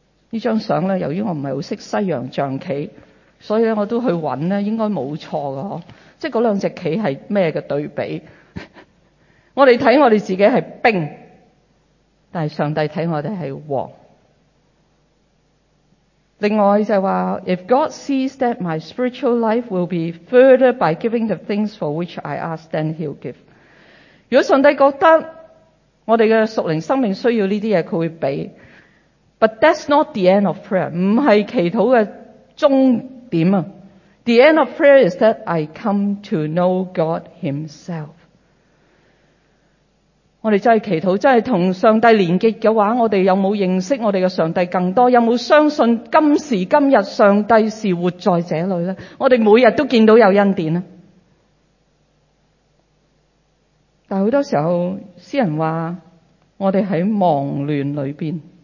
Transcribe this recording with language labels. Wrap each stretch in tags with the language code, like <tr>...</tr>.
<yue>呢张相咧，由于我唔系好识西洋象棋，所以咧我都去揾咧，应该冇错噶，即系嗰两只棋系咩嘅对比？我哋睇我哋自己系兵，但系上帝睇我哋系王。另外就话</yue> <en>，If God sees that my spiritual life will be furthered by giving the things for which I ask, then He'll give。</en> <yue>如果上帝觉得我哋嘅属灵生命需要呢啲嘢，佢会俾。</yue> <en>But that's not the end of prayer，</en> <yue>唔系祈祷嘅终点啊。</yue> <en>The end of prayer is that I come to know God Himself。</en> <yue>我哋真系祈祷，真系同上帝连结嘅话，我哋有冇认识我哋嘅上帝更多？有冇相信今时今日上帝是活在这里咧？我哋每日都见到有恩典啊！但好多时候，诗人话我哋喺忙乱里边。</yue>